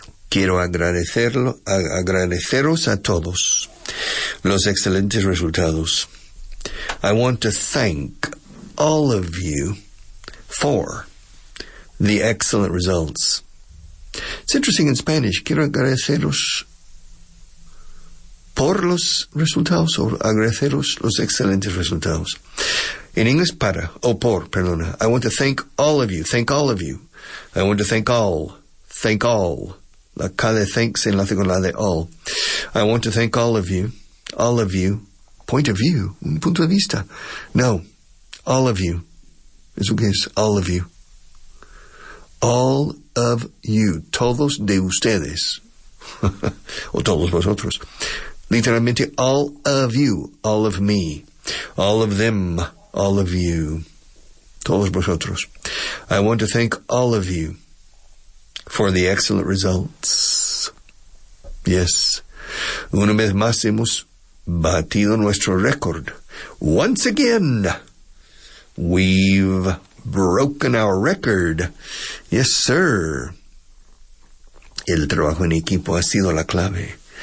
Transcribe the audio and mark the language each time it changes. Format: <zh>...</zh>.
<es>Quiero agradeceros a todos los excelentes resultados.</es> <en>I want to thank all of you for the excellent results. It's interesting in Spanish.</en> <es>Quiero agradeceros por los resultados o agradeceros los excelentes resultados.</es> <en>In English,</en> <es>para, o por, perdona.</es> <en>I want to thank all of you. Thank all of you. I want to thank all. Thank all.</en> <es>La K de thanks en la con la de all.</es> <en>I want to thank all of you. All of you. Point of view.</en> <es>Un punto de vista.</es> <en>No. All of you.</en> <es>Es lo que es.</es> <en>All of you. All of you.</en> <es>Todos de ustedes. O todos vosotros.</es> <en>Literalmente, all of you, all of me, all of them, all of you,</en> <es>todos vosotros.</es> <en>I want to thank all of you for the excellent results.</en> <es>Yes, una vez más hemos batido nuestro record.</es> <en>Once again, we've broken our record. Yes, sir.</en> <es>El trabajo en equipo ha sido la clave.</es>